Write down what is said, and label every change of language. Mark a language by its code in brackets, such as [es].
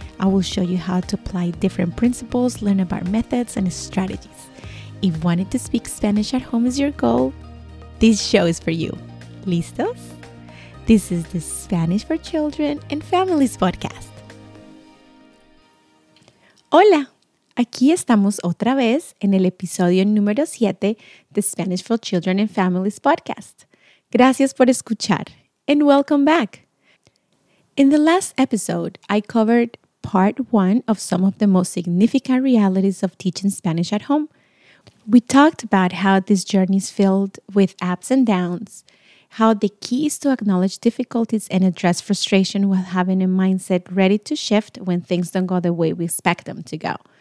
[en] I will show you how to apply different principles, learn about methods and strategies. If wanting to speak Spanish at home is your goal, this show is for you. [es] ¿Listos? [en] This is the Spanish for Children and Families podcast. [es] Hola, aquí estamos otra vez en el episodio número 7 de Spanish for Children and Families podcast. Gracias por escuchar. [en] And welcome back. In the last episode, I covered part one of some of the most significant realities of teaching Spanish at home. We talked about how this journey is filled with ups and downs, how the key is to acknowledge difficulties and address frustration while having a mindset ready to shift when things don't go the way we expect them to go.